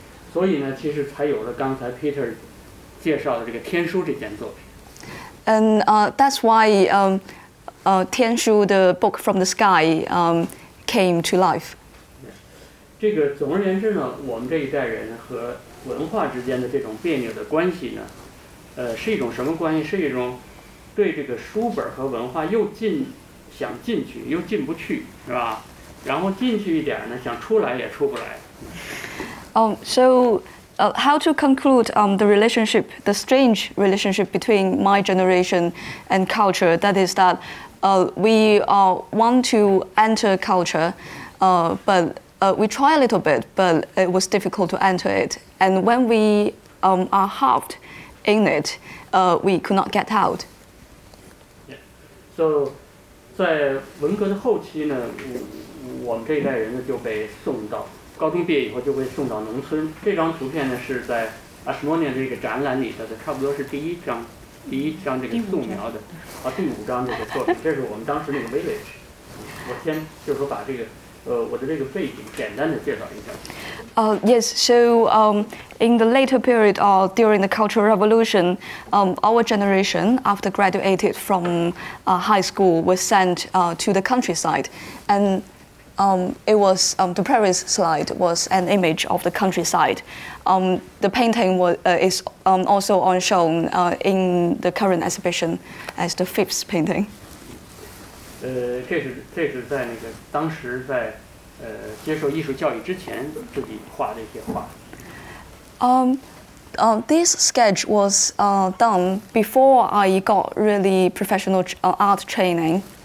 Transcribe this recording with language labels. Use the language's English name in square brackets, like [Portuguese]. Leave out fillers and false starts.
[Chinese] 所以呢，其实才有了刚才 Peter 介绍的这个《天书》这件作品。 [English] And that's why Tian Shu, the book from the sky, came to life. [Chinese] 这个总而言之呢，我们这一代人和文化之间的这种别扭的关系呢，是一种什么关系？是一种对这个书本和文化又进想进去又进不去，是吧？然后进去一点呢，想出来也出不来。 [English] How to conclude the relationship, the strange relationship between my generation and culture? That is that we want to enter culture, but we try a little bit, but it was difficult to enter it. And when we are halved in it, we could not get out. [Chinese] So, 在文革的后期呢，我们这一代人呢就被送到高中毕业以后就被送到农村。这张图片呢是在 Ashmolean 这个展览里头的，差不多是第一张这个素描的，第五张这个作品。这是我们当时那个 village。我先就是说把这个我的这个背景简单的介绍一下。 [English] Yes, so in the later period or during the Cultural Revolution, our generation, after graduated from high school, was sent to the countryside, and it was the previous slide was an image of the countryside. The painting is also on show in the current exhibition as the fifth painting. [Chinese] 这是在那个当时在接受艺术教育之前自己画的一些画。 [English] This sketch was done before I got really professional art training.